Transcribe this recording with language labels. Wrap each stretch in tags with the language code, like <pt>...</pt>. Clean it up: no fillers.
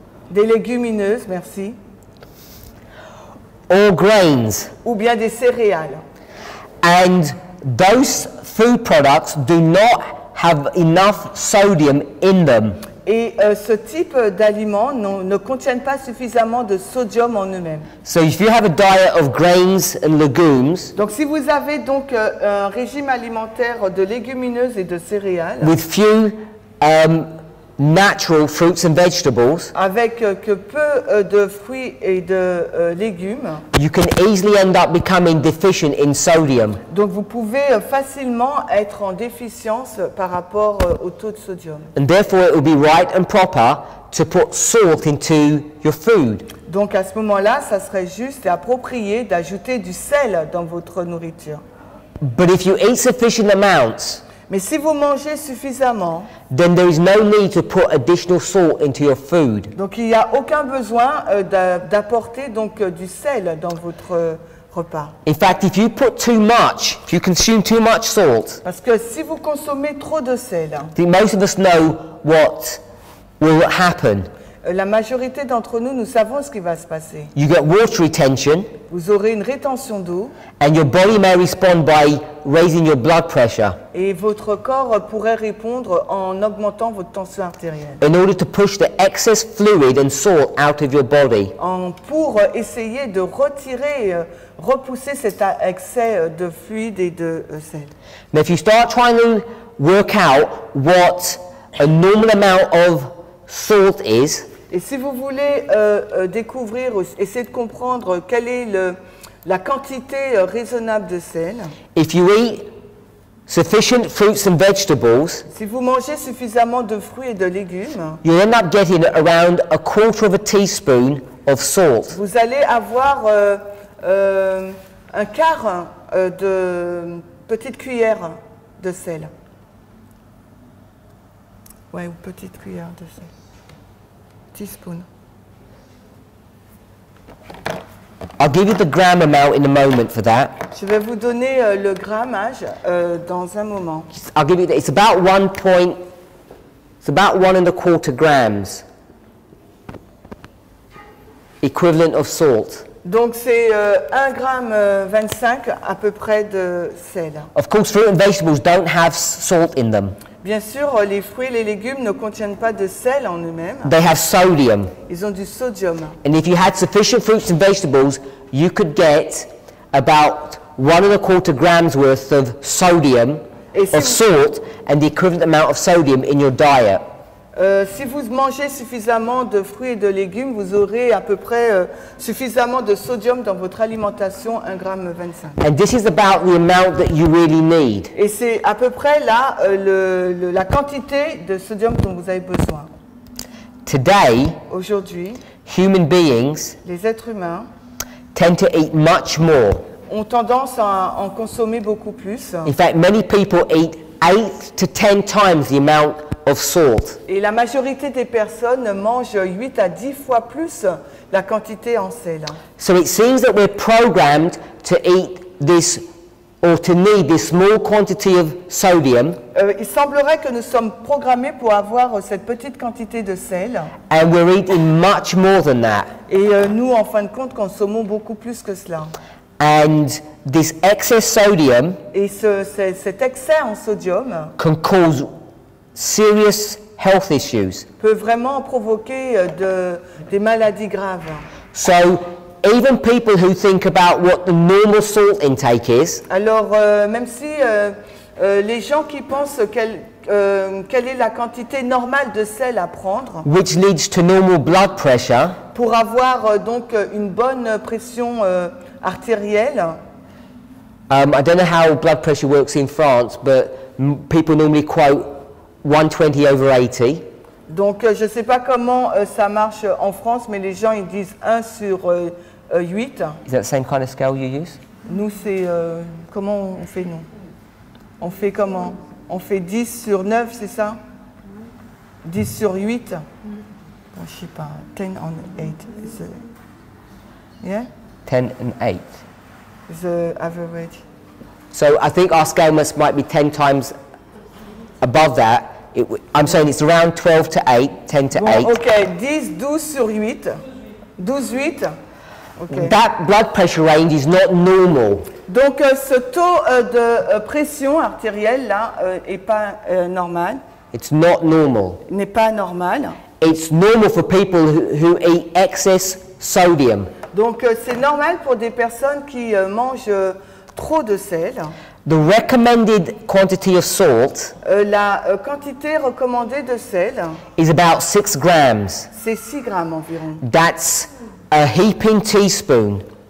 <fr>Des légumineuses, merci.</fr> <en>Or grains.</en> <fr>Ou bien des céréales.</fr> <en>And those food products do not have enough sodium in them.</en> <fr>Et ce type d'aliments ne contiennent pas suffisamment de sodium en eux-mêmes.</fr> <en>So if you have a diet of grains and legumes.</en> <fr>Donc si vous avez donc un régime alimentaire de légumineuses et de céréales.</fr> <en>With few natural fruits and vegetables.</en> <fr>Avec que peu de fruits et de légumes.</fr> <en>You can easily end up becoming deficient in sodium.</en> <fr>Donc vous pouvez facilement être en déficience par rapport au taux de sodium.</fr> <en>And therefore, it would be right and proper to put salt into your food.</en> <fr>Donc à ce moment-là, ça serait juste et approprié d'ajouter du sel dans votre nourriture.</fr> <en>But if you eat sufficient amounts.</en> <fr>Mais si vous mangez suffisamment,</fr> <en>then there is no need to put additional salt into your food.</en> <fr>Donc il n'y a aucun besoin d'apporter donc du sel dans votre repas.</fr> <en>In fact, if you put too much, if you consume too much salt,</en> <fr>parce que si vous consommez trop de sel,</fr> <en>most of us know what will happen.</en> <fr>La majorité d'entre nous, nous savons ce qui va se passer.</fr> <en>You get water retention.</en> <fr>Vous aurez une rétention d'eau.</fr> <en>And your body may respond by raising your blood pressure.</en> <fr>Et votre corps pourrait répondre en augmentant votre tension artérielle.</fr> <en>In order to push the excess fluid and salt out of your body.</en> <fr>Pour essayer de retirer, repousser cet excès de fluide et de sel.</fr> <en>Now if you start trying to work out what a normal amount of salt is.</en> <fr>Et si vous voulez découvrir ou essayer de comprendre quelle est la quantité raisonnable de sel.</fr> <en>If you eat sufficient fruits and vegetables.</en> <fr>Si vous mangez suffisamment de fruits et de légumes.</fr> <en>You end up getting around a quarter of a teaspoon of salt.</en> <fr>Vous allez avoir un quart de petite cuillère de sel. Ouais, une petite cuillère de sel.</fr> <en>Teaspoon. I'll give you the gram amount in a moment for that.</en> <fr>Je vais vous donner le grammage dans un moment.</fr> <en>I'll give you that. It's about 1.25 grams. Equivalent of salt.</en> <fr>Donc c'est 1,25 g à peu près de sel.</fr> <en>Of course, fruit and vegetables don't have salt in them.</en> <fr>Bien sûr, les fruits et les légumes ne contiennent pas de sel en eux-mêmes.</fr> <en>They have sodium.</en> <fr>Ils ont du sodium.</fr> <en>And if you had sufficient fruits and vegetables, you could get about 1.25 grams worth of sodium, of salt, and the equivalent amount of sodium in your diet.</en> <fr>Si vous mangez suffisamment de fruits et de légumes, vous aurez à peu près suffisamment de sodium dans votre alimentation, 1,25 g.</fr> <en>And this is about the amount that you really need.</en> <fr>Et c'est à peu près là la quantité de sodium dont vous avez besoin.</fr> <en>Today,</en> <fr>aujourd'hui,</fr> <en>human beings,</en> <fr>les êtres humains,</fr> <en>tend to eat much more.</en> <fr>Ont tendance à en consommer beaucoup plus.</fr> <en>In fact, many people eat 8 to 10 times the amount of salt.</en> <fr>Et la majorité des personnes mangent 8 à 10 fois plus la quantité en sel.</fr> <en>So it seems that we're programmed to eat this or to need this small quantity of sodium.</en> <fr>Il semblerait que nous sommes programmés pour avoir cette petite quantité de sel.</fr> <en>And we're eating much more than that.</en> <fr>Et nous, en fin de compte, consommons beaucoup plus que cela.</fr> <en>And this excess sodium.</en> <fr>Et cet excès en sodium.</fr> <en>Can cause serious health issues.</en> <fr>Peut vraiment provoquer des maladies graves.</fr> <en>So. Even people who think about what the normal salt intake is.</en> <fr>Alors, même si les gens qui pensent quelle est la quantité normale de sel à prendre,</fr> <en>which leads to normal blood pressure,</en> <fr>pour avoir donc une bonne pression artérielle.</fr> <en>I don't know how blood pressure works in France, but people normally quote 120 over 80.</en> <fr>Donc, je ne sais pas comment ça marche en France, mais les gens ils disent 1 sur 8.</fr> <en>Is that the same kind of scale you use?</en> <fr>Nous, c'est... comment on fait, nous? On fait comment? On fait 10 sur 9, c'est ça? 10 sur 8? Bon, je ne sais pas.</fr> <en>10 on 8. Yeah? 10 and 8. The average. So, I think our scale might be 10 times above that. I'm saying it's around 12 to 8. 10 to 8.</en> <fr>Bon, okay, 10, 12 sur 8. 12, 8.</fr> <en>Okay. That blood pressure range is not normal.</en> <fr>Donc ce taux de pression artérielle là est pas normal.</fr> <en>It's not normal.</en> <fr>N'est pas normal.</fr> <en>It's normal for people who eat excess sodium.</en> <fr>Donc c'est normal pour des personnes qui mangent trop de sel.</fr> <en>The recommended quantity of salt.</en> <fr>La quantité recommandée de sel.</fr> <en>Is about 6 grams.</en> <fr>C'est 6 grammes environ.</fr> <en>That's a heaping teaspoon.</en>